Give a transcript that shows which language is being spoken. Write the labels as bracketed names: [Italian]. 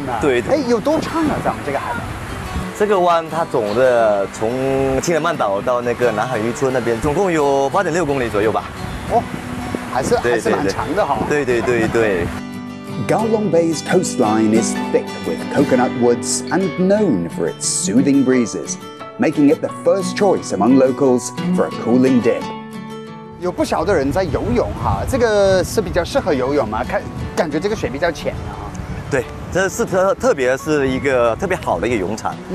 [Chinese] 欢迎叶先生来我们美丽的文昌，美丽的高龙湾。谢谢，我感觉咱们这个高龙湾真的很美，而且很大。你看这个沙滩有这么宽呢。对，有多长啊？咱们这个海湾？这个湾它总的从清莲半岛到那个南海渔村那边，总共有8.6公里左右吧。哦，还是蛮长的哈。对对对对。Golong [English] Bay's coastline is thick with coconut woods and known for its soothing breezes, making it the first choice among locals for a cooling dip. [Chinese] 有不少的人在游泳哈，这个是比较适合游泳吗？感觉这个水比较浅啊。对，这是特别是一个特别好的一个泳场。